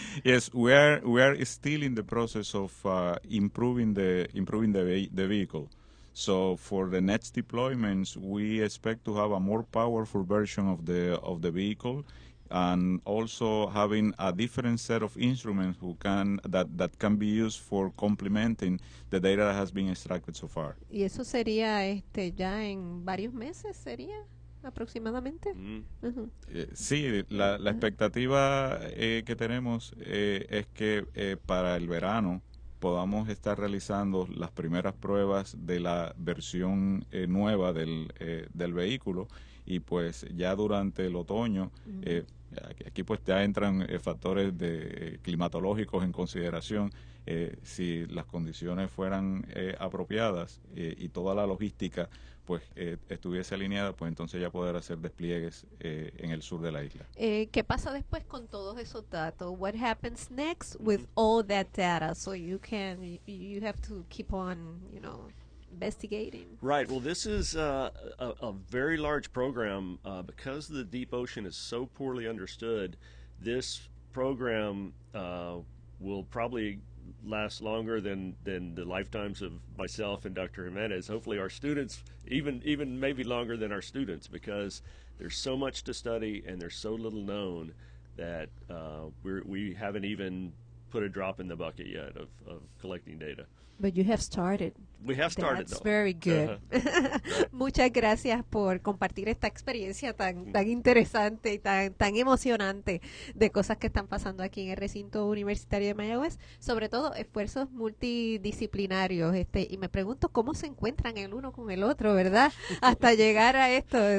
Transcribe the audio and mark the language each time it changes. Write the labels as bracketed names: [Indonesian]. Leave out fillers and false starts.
[English] Yes, we are still in the process of improving the vehicle. So for the next deployments, we expect to have a more powerful version of the vehicle, and also having a different set of instruments that can be used for complementing the data that has been extracted so far. [Spanish] ¿Y eso sería ya en varios meses, sería aproximadamente? Mm. Uh-huh. Sí, la expectativa que tenemos es que para el verano podamos estar realizando las primeras pruebas de la versión nueva del vehículo, y pues ya durante el otoño, uh-huh, aquí pues ya entran factores de climatológicos en consideración, si las condiciones fueran apropiadas y toda la logística pues estuviese alineada, pues entonces ya poder hacer despliegues en el sur de la isla. ¿Qué pasa después con todos esos datos? [English] What happens next with all that data? So you have to keep on, you know, investigating. Right. Well, this is a very large program. Because the deep ocean is so poorly understood, this program will probably last longer than the lifetimes of myself and Dr. Jimenez, hopefully our students, even maybe longer than our students, because there's so much to study and there's so little known that we haven't even put a drop in the bucket yet of collecting data. But you have started. We have started. That's though. Very good. [Spanish] Muchas gracias por compartir esta experiencia tan interesante y tan emocionante de cosas que están pasando aquí en el recinto universitario de Mayagüez, sobre todo esfuerzos multidisciplinarios. Y me pregunto cómo se encuentran el uno con el otro, ¿verdad? Hasta llegar a esto.